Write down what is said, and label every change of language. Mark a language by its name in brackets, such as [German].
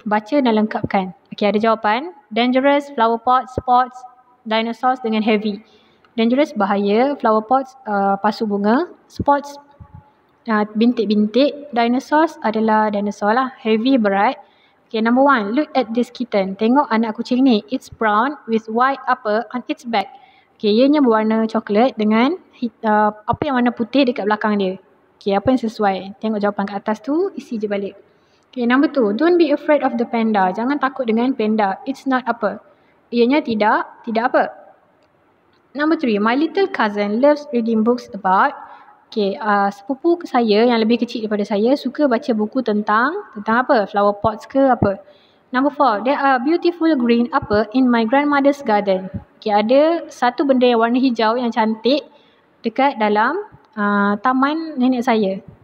[Malay] Baca dan lengkapkan. Okay, ada jawapan. Dangerous, flower pots, spots, dinosaurs dengan heavy. Dangerous, bahaya. Flower pots, pasu bunga. Spots, bintik-bintik. Dinosaurs adalah dinosaur lah. Heavy, berat. [English] Okay, number 1. Look at this kitten. [Malay] Tengok anak kucing ni. [English] It's brown with white upper on its back. [Malay] Okay, ianya berwarna coklat dengan apa yang warna putih dekat belakang dia. Okay, apa yang sesuai? Tengok jawapan kat atas tu, isi je balik. Okay, [English] number 2. Don't be afraid of the panda. [Malay] Jangan takut dengan panda. [English] It's not [Malay] apa. Ianya tidak, tidak apa. [English] Number 3. My little cousin loves reading books about. [Malay] Okay, sepupu saya yang lebih kecil daripada saya suka baca buku tentang, tentang apa? Flower pots ke apa? Number 4. [English] There are beautiful green [Malay] apa [English] in my grandmother's garden. [Malay] Okay, ada satu benda yang warna hijau yang cantik dekat dalam taman nenek saya.